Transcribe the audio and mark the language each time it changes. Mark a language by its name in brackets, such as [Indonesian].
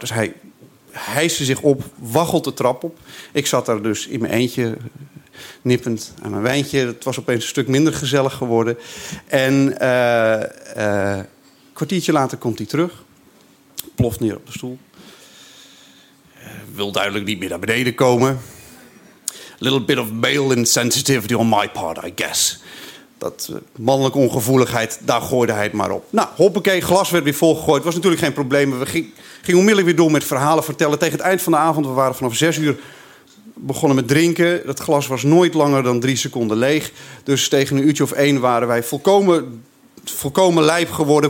[Dutch] Dus hij hijste zich op, waggelt de trap op. Ik zat daar dus in mijn eentje, nippend aan mijn wijntje. Het was opeens een stuk minder gezellig geworden. En een kwartiertje later komt hij terug. Ploft neer op de stoel. Wil duidelijk niet meer naar beneden komen. [English] Little bit of male insensitivity on my part, I guess. [Dutch] Dat mannelijke ongevoeligheid, daar gooide hij het maar op. Nou, hoppakee, glas werd weer volgegooid. Het was natuurlijk geen probleem. We gingen onmiddellijk weer door met verhalen vertellen. Tegen het eind van de avond, we waren vanaf 6 uur begonnen met drinken. Dat glas was nooit langer dan 3 seconden leeg. Dus tegen 1 uur waren wij volkomen lijp geworden.